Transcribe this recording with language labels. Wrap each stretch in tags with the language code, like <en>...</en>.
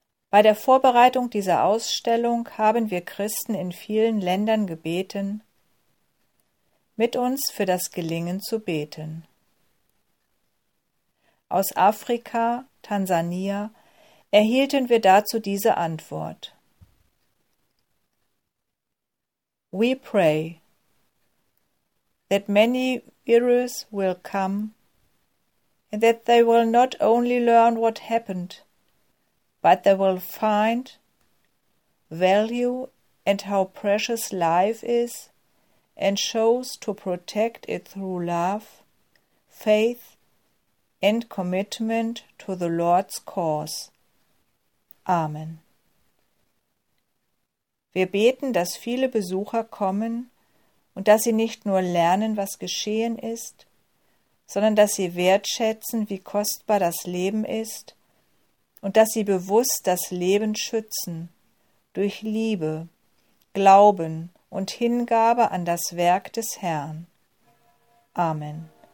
<de>Bei der Vorbereitung dieser Ausstellung haben wir Christen in vielen Ländern gebeten, mit uns für das Gelingen zu beten. Aus Afrika, Tansania, erhielten wir dazu diese Antwort.</de> <en>We pray that many viewers will come and that they will not only learn what happened, but they will find value and how precious life is and chose to protect it through love, faith and commitment to the Lord's cause. Amen.</en> <de>Wir beten, dass viele Besucher kommen und dass sie nicht nur lernen, was geschehen ist, sondern dass sie wertschätzen, wie kostbar das Leben ist und dass sie bewusst das Leben schützen durch Liebe, Glauben und Hingabe an das Werk des Herrn. Amen.</de>